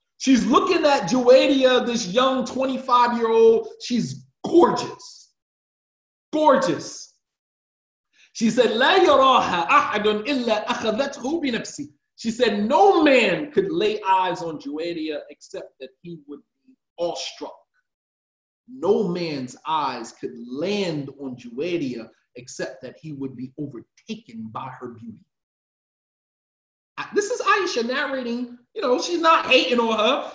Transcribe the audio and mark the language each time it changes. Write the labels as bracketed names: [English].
[English] She's looking at Juwadia, this young 25-year-old. She's gorgeous. Gorgeous. She said, [Arabic] لا يراها أحد إلا أخذته بنفسي. [English] She said, no man could lay eyes on Juwadia except that he would be awestruck. No man's eyes could land on Juwadia except that he would be overtaken by her beauty. This is Aisha narrating, you know, she's not hating on her.